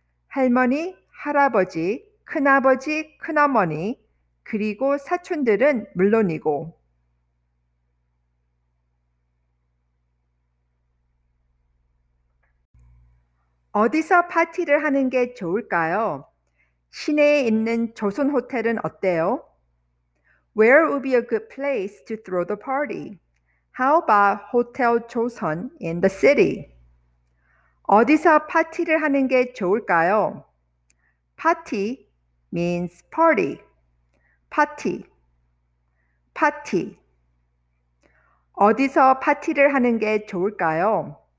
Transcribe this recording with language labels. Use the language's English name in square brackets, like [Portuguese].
[Korean] 할머니, 할아버지, 큰아버지, 큰어머니, 그리고 사촌들은 물론이고. 어디서 파티를 하는 게 좋을까요? 시내에 있는 조선 호텔은 어때요? [English] Where would be a good place to throw the party? How about Hotel Joseon in the city? [Korean] 어디서 파티를 하는 게 좋을까요? [English] Party means party. Party. Party. [Korean] 어디서 파티를 하는 게 좋을까요?